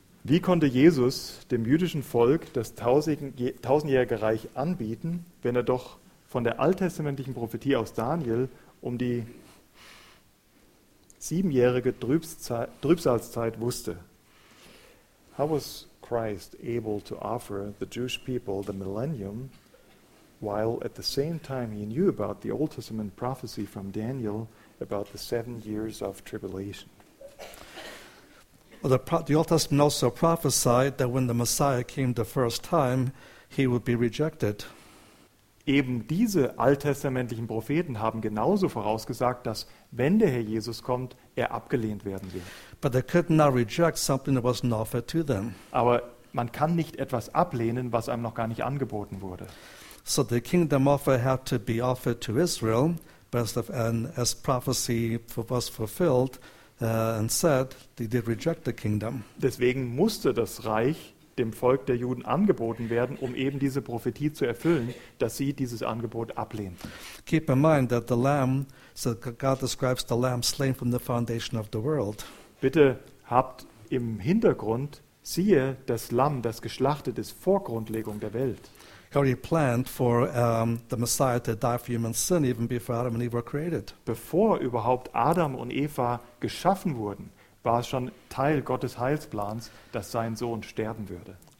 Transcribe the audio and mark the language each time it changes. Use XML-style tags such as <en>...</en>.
<de>Wie konnte Jesus dem jüdischen Volk das tausendjährige Reich anbieten, wenn er doch von der alttestamentlichen Prophetie aus Daniel um die siebenjährige Trübsalzeit wusste?</de> <en>How was Christ able to offer the Jewish people the millennium while at the same time he knew about the Old Testament prophecy from Daniel about the 7 years of tribulation? Well, the Old Testament also prophesied that when the Messiah came the first time, he would be rejected.</en> <de>Eben diese alttestamentlichen Propheten haben genauso vorausgesagt, dass wenn der Herr Jesus kommt, er abgelehnt werden wird.</de> <en>But they could not reject something that wasn't offered to them.</en> <de>Aber man kann nicht etwas ablehnen, was einem noch gar nicht angeboten wurde.</de> <en>So the kingdom offer had to be offered to Israel, and as prophecy was fulfilled and said, they did reject the kingdom.</en> <de>Deswegen musste das Reich dem Volk der Juden angeboten werden, um eben diese Prophetie zu erfüllen, dass sie dieses Angebot ablehnen.</de> <en>Keep in mind that the Lamb, so God describes the Lamb slain from the foundation of the world.</en> <de>Bitte habt im Hintergrund, siehe das Lamm, das geschlachtet ist vor Grundlegung der Welt.</de> <en>He already planned for the Messiah to die for human sin even before Adam and Eve were created.</en> <de>Bevor überhaupt Adam und Eva geschaffen wurden, war es schon Teil Gottes Heilsplans, dass sein Sohn sterben würde.</de>